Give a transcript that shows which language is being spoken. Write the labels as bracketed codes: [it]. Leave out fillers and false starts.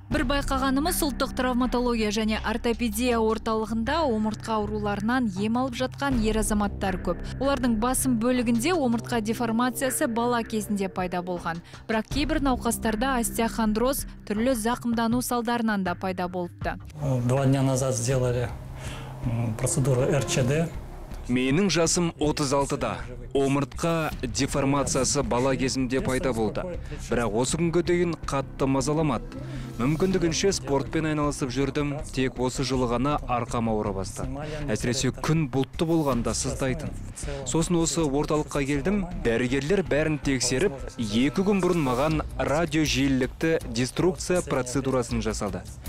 [kk] Бір байқағанымыз ұлттық травматология және ортопедия орталығында омыртқа ауруларынан ем алып жатқан ер азаматтар көп. Олардың басым бөлігінде омыртқа деформациясы бала кезінде пайда болған. Бірақ кейбір науқастарда остеохондроз түрлі зақымдану салдарынан да пайда болыпты. [ru] Два дня назад сделали процедуру РЧД. [kk] Менің жасым 36-да. Омыртқа деформациясы бала кезімде пайда болды. Бірақ осы күнге дейін қатты мазаламады. Мүмкіндігінше спортпен айналысып жүрдім, тек осы жылы ғана арқам ауыра бастады. Әсіресе күн бұлтты болғанда сыздайтын. Сосын осы орталыққа келдім, дәрігерлер бәрін тексеріп, 2 күн бұрын маған радиожиілікті деструкция процедурасын жасады.